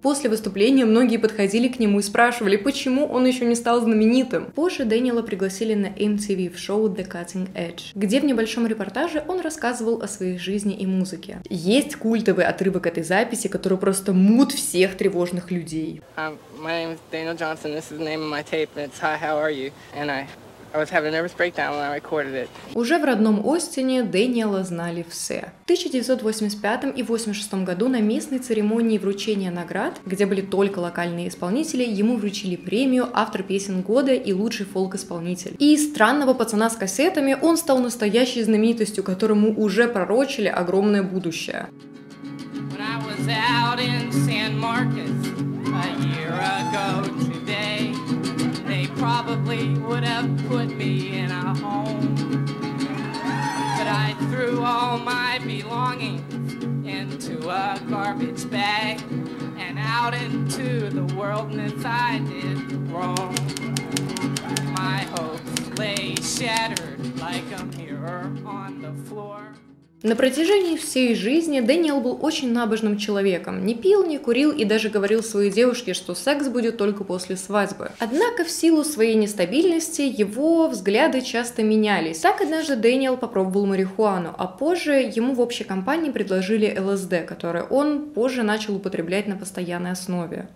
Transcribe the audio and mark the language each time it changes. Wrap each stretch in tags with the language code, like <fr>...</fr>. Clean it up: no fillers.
<ru>После выступления многие подходили к нему и спрашивали, почему он еще не стал знаменитым. Позже Дэниела пригласили на MTV в шоу The Cutting Edge, где в небольшом репортаже он рассказывал о своей жизни и музыке. Есть культовый отрывок этой записи, который просто мут всех тревожных людей.</ru> <en>My name is Daniel Johnson, this is the name of my tape, and it's Hi, How Are You? And I was having a nervous breakdown when I recorded it.</en> <ru>Уже в родном Остине Дэниела знали все. В 1985 и 86 году на местной церемонии вручения наград, где были только локальные исполнители, ему вручили премию «Автор песен года» и «Лучший фолк-исполнитель». И из странного пацана с кассетами он стал настоящей знаменитостью, которому уже пророчили огромное будущее.</ru> <en>When I was out in San Marcos a year ago today, they probably would have put me in a home. But I threw all my belongings into a garbage bag and out into the wilderness I did roam. My hopes lay shattered like a mirror on the floor.</en> <ru>На протяжении всей жизни Дэниел был очень набожным человеком. Не пил, не курил и даже говорил своей девушке, что секс будет только после свадьбы. Однако в силу своей нестабильности его взгляды часто менялись. Так однажды Дэниел попробовал марихуану, а позже ему в общей компании предложили ЛСД, которое он позже начал употреблять на постоянной основе.</ru>